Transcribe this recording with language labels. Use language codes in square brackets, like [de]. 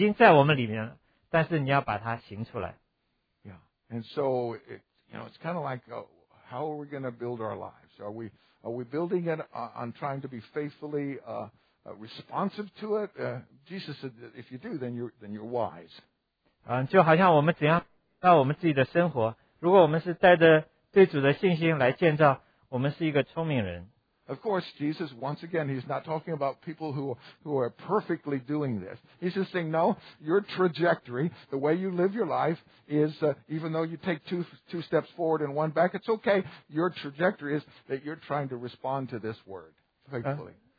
[zh] 我喜欢这个NIV翻译，它好像说救恩已经在我们里面了，但是你要把它行出来。 [en] Yeah, and so, it's kind of like, how are we going to build our lives? Are we building it on trying to be faithfully responsive to it? Jesus said, if you do, then you're wise. [zh] 就好像我们怎样到我们自己的生活，如果我们是带着对主的信心来建造，我们是一个聪明人。 [en] Of course, Jesus, once again, he's not talking about people who are perfectly doing this. He's just saying, no, your trajectory, the way you live your life, is even though you take two steps forward and one back, it's okay. Your trajectory is that you're trying to respond to this word faithfully.